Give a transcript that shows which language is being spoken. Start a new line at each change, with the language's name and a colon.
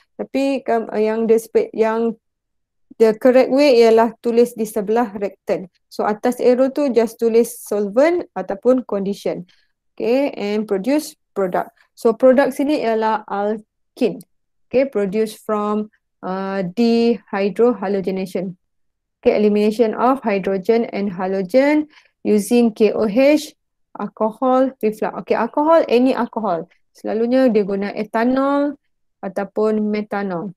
Malay: Tapi yang
English: the correct way
Malay: ialah tulis di sebelah reactant. So atas arrow tu just tulis solvent ataupun condition.
English: Okay, and produce product.
Malay: So product sini ialah alkene.
English: Okay, produce from dehydrohalogenation. Okay, elimination of hydrogen and halogen using KOH, alcohol, reflux. Okay, alcohol, any alcohol.
Malay: Selalunya dia guna etanol ataupun metanol.